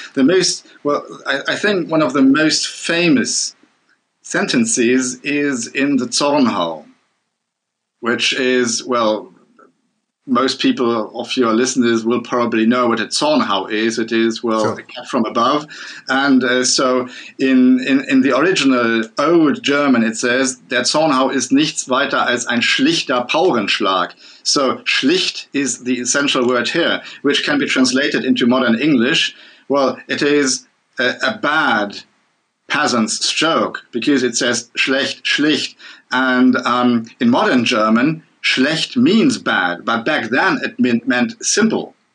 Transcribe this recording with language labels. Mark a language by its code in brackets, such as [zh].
[en] The most, well, I think one of the most famous sentences is in the Zornhau, which is, well, most people of your listeners will probably know what a Zornhau is. It is, well, sure, a cat from above. And so in the original old German, it says, [de] der Zornhau ist nichts weiter als ein schlichter Paurenschlag. [en] So schlicht is the essential word here, which can be translated into modern English. Well, it is a bad peasant's stroke, because it says schlecht, schlicht. And in modern German, schlecht means bad, but back then it meant simple.